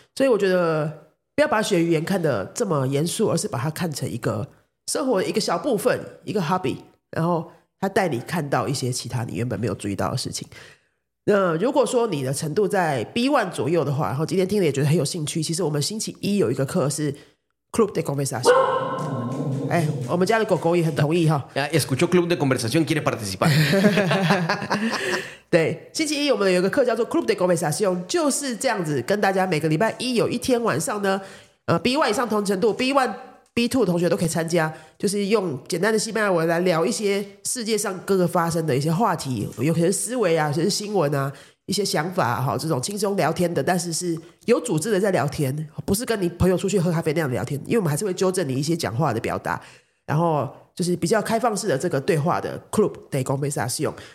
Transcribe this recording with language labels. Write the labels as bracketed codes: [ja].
[zh] 所以我觉得不要把学语言看得这么严肃，而是把它看成一个生活的一个小部分，一个 hobby，然后他带你看到一些其他你原本没有注意到的事情。那如果说你的程度在 B1 左右的话，然后今天听了也觉得很有兴趣，其实我们星期一有一个课是 Club de Conversación。哎，我们家的狗狗也很同意哈。 [es] Escuchó Club de Conversación quiere participar。 [zh] 对，星期一我们有一个课叫做 Club de Conversación， 就是这样子跟大家每个礼拜一有一天晚上呢，B1 以上同程度 B1 B2 同学都可以参加，就是用简单的西班牙文来聊一些世界上各个发生的一些话题，有些思维啊，有些新闻啊，一些想法啊，这种轻松聊天的，但是是有组织的在聊天，不是跟你朋友出去喝咖啡那样的聊天，因为我们还是会纠正你一些讲话的表达，然后就是比较开放式的这个对话的 Club de Conversación。